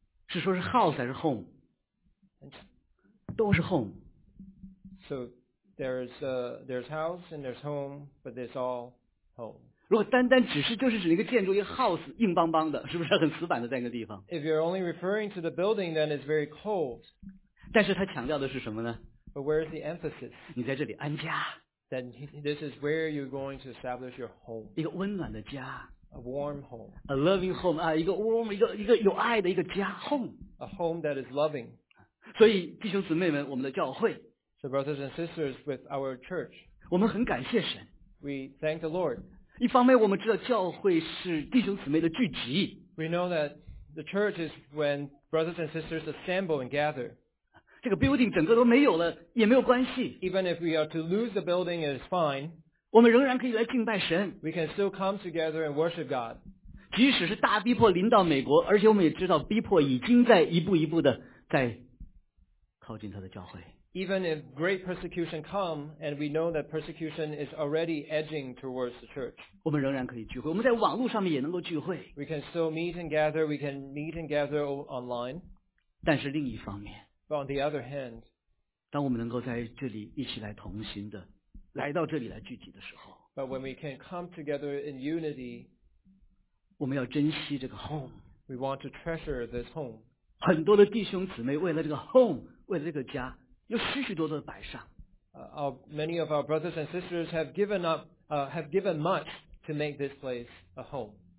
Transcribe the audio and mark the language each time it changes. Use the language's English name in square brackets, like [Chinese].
[Chinese] 是说是 house 还是 home? 都是 home. [English] So there's house and there's home, but it's all home. [Chinese] 如果单单只是就是指一个建筑，一个 house 硬邦邦的，是不是很死板的在一个地方 [English] ？If you're only referring to the building, then it's very cold. [Chinese] 但是他强调的是什么呢 [English] ？But where's the emphasis? [Chinese] 你在这里安家。 [English] Then this is where you're going to establish your home. [Chinese] 一个温暖的家。 [English] A warm home. A loving home [Chinese] 啊，一个 warm 一个有爱的一个家 home. [English] A home that is loving. [Chinese] 所以弟兄姊妹们，我们的教会。 [English] So brothers and sisters with our church. [Chinese] 我们很感谢神。 [English] We thank the Lord. [Chinese] 一方面我们知道教会是弟兄姊妹的聚集 [English] We know that the church is when brothers and sisters assemble and gather [Chinese] 这个 building 整个都没有了也没有关系 [English] Even if we are to lose the building, it is fine [Chinese] 我们仍然可以来敬拜神 [English] We can still come together and worship God [Chinese] 即使是大逼迫临到美国而且我们也知道逼迫已经在一步一步的在靠近他的教会 [English] Even if great persecution come, and we know that persecution is already edging towards the church. [Chinese] 我们仍然可以聚会，我们在网络上面也能够聚会。 [English] We can still meet and gather. We can meet and gather online. [Chinese] 但是另一方面 [English] ，But on the other hand, [Chinese] 当我们能够在这里一起来同心的来到这里来聚集的时候 [English] ，But when we can come together in unity, [Chinese] 我们要珍惜这个 home. [English] We want to treasure this home. [Chinese] 很多的弟兄姊妹为了这个 home, 为了这个家。有许许多多的摆上。 [English] Many of our brothers and sisters have given up, have given much to make this place a home.